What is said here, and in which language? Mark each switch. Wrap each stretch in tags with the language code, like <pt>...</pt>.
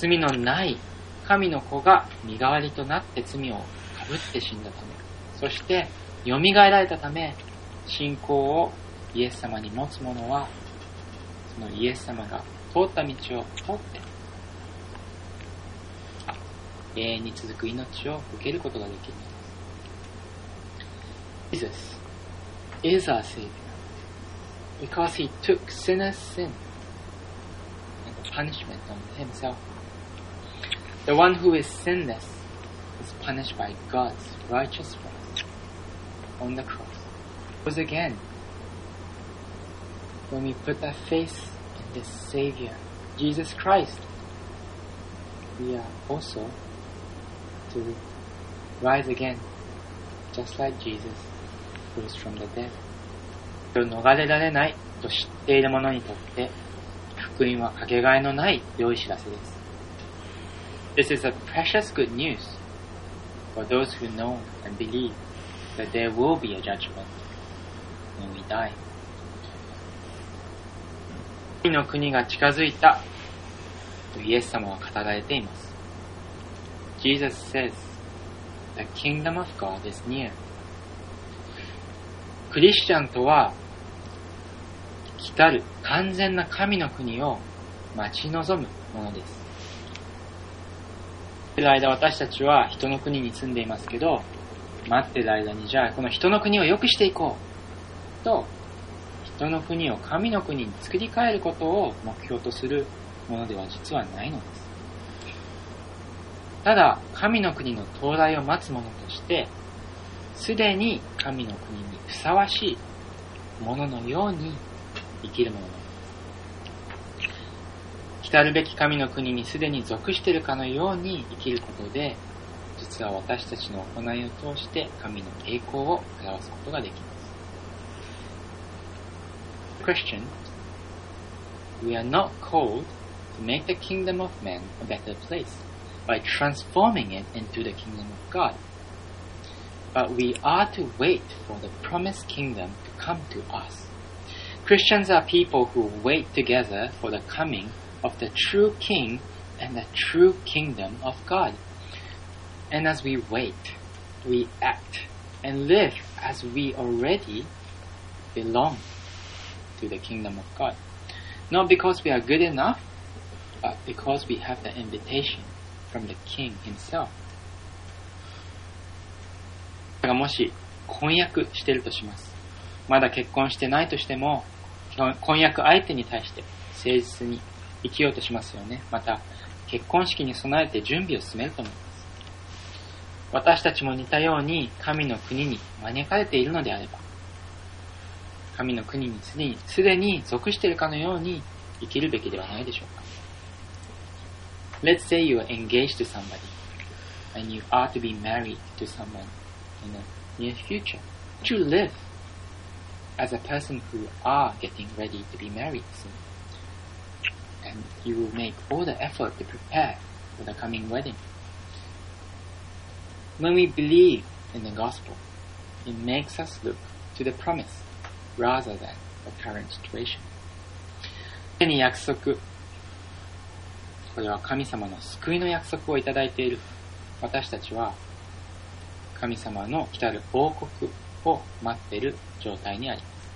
<ja>罪のない神の子が身代わりとなって罪をかぶって死んだため、そしてよみがえられたため、信仰をイエス様に持つ者はそのイエス様が通った道を通って永遠に続く命を受けることができるのです。</ja> <en>Jesus is our SaviorBecause he took sinners' sin and punishment on himself. The one who is sinless is punished by God's righteous wrath on the cross. Once again, when we put our faith in this Savior, Jesus Christ, we are also to rise again, just like Jesus rose from the dead.</en> <ja>逃れられないと知っている者にとって福音はかけがえのない良い知らせです。</ja> <en>This is a precious good news for those who know and believe that there will be a judgment when we die.</en> <ja>神の国が近づいたとイエス様は語られています。</ja> <en>Jesus says the kingdom of God is near.</en> <ja>クリスチャンとは来たる完全な神の国を待ち望むものです。待っている間私たちは人の国に住んでいますけど、待っている間にじゃあこの人の国を良くしていこうと人人の国を神の国に作り変えることを目標とするものでは実はないのです。ただ神の国の到来を待つ者として、すでに神の国にふさわしいもののように生きるものです。来るべき神の国にすでに属しているかのように生きることで、実は私たちの行いを通して神の栄光を表すことができます。</ja> <en>Christian, we are not called to make the kingdom of man a better place by transforming it into the kingdom of God, but we are to wait for the promised kingdom to come to us. Christians are people who wait together for the comingof the true king and the true kingdom of God. And as we wait, we act and live as we already belong to the kingdom of God. Not because we are good enough, but because we have the invitation from the king himself.</en> <ja>もし婚約してるとします。まだ結婚してないとしても、婚約相手に対して誠実に生きようとしますよね。また結婚式に備えて準備を進めると思います。私たちも似たように神の国に招かれているのであれば、神の国にすでに属しているかのように生きるべきではないでしょうか。</ja> <en>Let's say you are engaged to somebody and you are to be married to someone in the near future. Would you live as a person who are getting ready to be married soonAnd you will make all the effort to prepare for the coming wedding. When we believe in the gospel, it makes us look to the promise rather than the current situation.</en> <ja>既に約束、これは神様の救いの約束をいただいている私たちは、神様の来たる王国を待っている状態にあります。</ja>